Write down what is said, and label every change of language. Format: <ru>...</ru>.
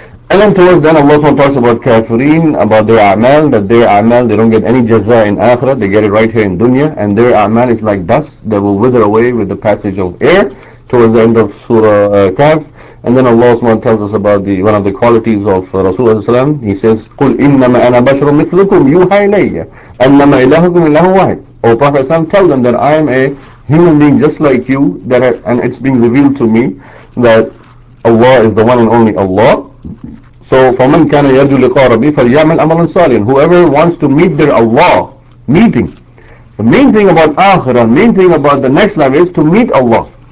<en>And then towards then Allah talks about kafirin, about their a'mal, that their a'mal, they don't get any jaza in akhirah, they get it right here in dunya, and their a'mal is like dust that will wither away with the passage of air, towards the end of Surah Kahf. And then Allah tells us about one of the qualities of Rasulullah. He says,</en> <ar>قُلْ إِنَّمَا أَنَا بَشْرٌ مِثْلُكُمْ يُوحَى إِلَيَّ أَنَّمَا إِلَهُكُمْ إِلَهُ وَاحِدٌ.</ar> <en>O Prophet, tell them that I am a human being just like you, and it's been revealed to me that Allah is the one and only Allah. So,</en> <ar>فَمَنْ كَانَ يَرْجُ لِقَاءَ رَبِّهِ فَلْيَعْمَلْ عَمَلًا صَالِحًا.</ar> <en>Whoever wants to meet their Allah, meeting. The main thing about Akhirah, main thing about the next life is to meet Allah.</en>